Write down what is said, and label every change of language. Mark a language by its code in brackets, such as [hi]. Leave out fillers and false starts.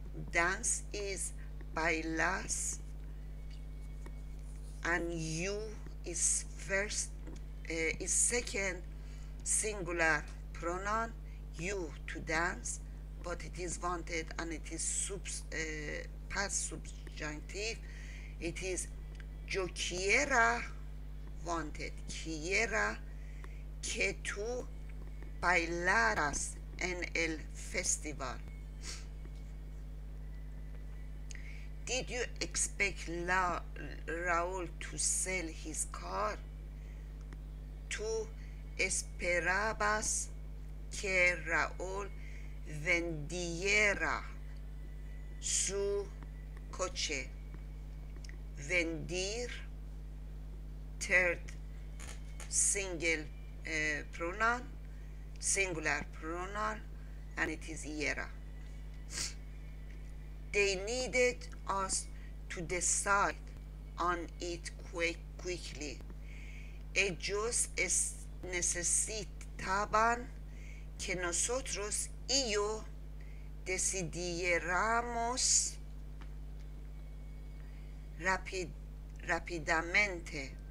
[en] Dance is bailas, and you is first. Is second singular pronoun, you to dance, but it is wanted and it is past subjunctive. It is [es] yo quiera wanted, quiera que tú bailaras en el festival. [en] Did you expect Raúl to sell his car? [es] Tú esperabas que Raúl vendiera su coche. [en] Vendir, third single pronoun, singular pronoun, and it is iera. They needed us to decide on it quickly. [es] Ellos necesitaban que nosotros y yo decidiéramos rápidamente.